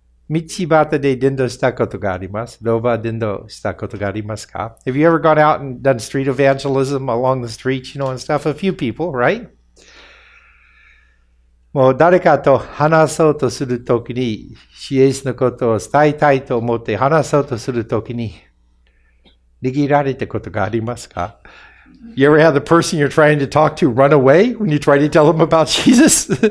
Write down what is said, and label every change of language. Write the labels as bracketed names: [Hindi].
[Japanese] 道端で伝道したことがあります。どうば伝道したことがありますか? [English] Have you ever gone out and done street evangelism along the street, you know, and stuff? A few people, right? [Japanese] もう誰かと話そうとするときに、シエスのことを伝えたいと思って話そうとするときに、逃げられたことがありますか? [English] You ever had the person you're trying to talk to run away when you try to tell them about Jesus?